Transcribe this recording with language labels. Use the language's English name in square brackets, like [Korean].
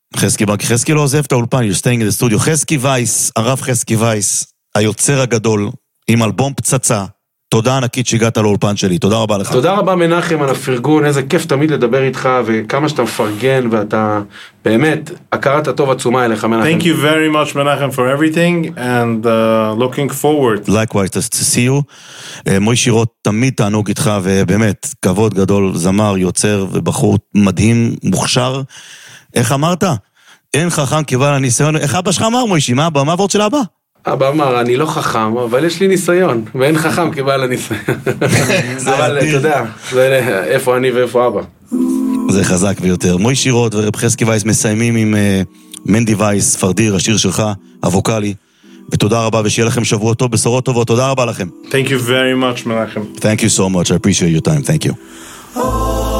[Hebrew] חסקי, חסקי לא עוזב את האולפן, [English] you're staying in the studio. [Hebrew] חסקי וייס, הרב חסקי וייס, היוצר הגדול, עם אלבום פצצה. תודה ענקית שהגעת לאולפן שלי, תודה רבה לך. תודה רבה מנחם על הפרגון, איזה כיף תמיד לדבר איתך, וכמה שאתה מפרגן, ואתה באמת, הכרת הטוב עצומה אליך מנחם. [English] Thank you very much מנחם for everything, and looking forward. Likewise, to see you. [Hebrew] מוישי רוט, תמיד תענוג איתך, ובאמת, כבוד גדול, זמר, יוצר, ובחור מדהים, מוכשר. איך אמרת? אין חכם כבעל הניסיון, איך אבא שלך אמר מוישי, מה הבא, מה עבוד של אבא? אבא אמר, אני לא חכם, אבל יש לי ניסיון, ואין חכם כבעל הניסיון. אבל אתה יודע, איפה אני ואיפה אבא. זה חזק ביותר. מוישי רוט ורב חסקי וייס מסיימים עם מנדי וייס, פרדיר, השיר שלך, הווקלי. ותודה רבה, ושיהיה לכם שבוע טוב, בשורות טובות. תודה רבה לכם. [English] Thank you very much, מנחם. Thank you so much, I appreciate your time, thank you.